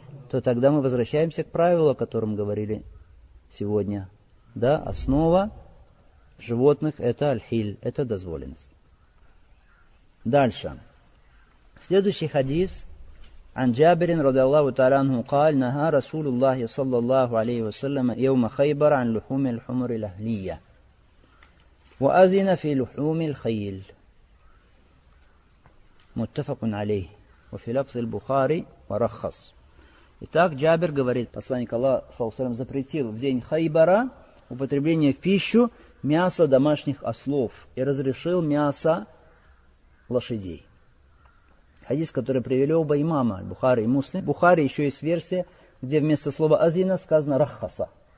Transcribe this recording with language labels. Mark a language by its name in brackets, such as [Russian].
[Russian] То тогда мы возвращаемся к правилу, о котором говорили сегодня. Да, основа животных – это аль-хиль, это дозволенность. Дальше. Следующий хадис. [Arabic] عن جابر رضي الله تعالى عنه قال نهى رسول الله صلى الله عليه وسلم يوم خيبر عن لحوم الحمر الأهلية وأذن في لحوم الخيل متفق عليه وفي لفظ البخاري ورخص. [Russian] Итак, Джабир говорит, посланник Аллаха [Arabic] صلى الله عليه وسلم [Russian] запретил в день Хайбара употребление в пищу мяса домашних ослов и разрешил мясо лошадей. Хадис, который привели оба имама, Бухари и Муслим. Бухари еще есть версия, где вместо слова азина сказано раххаса.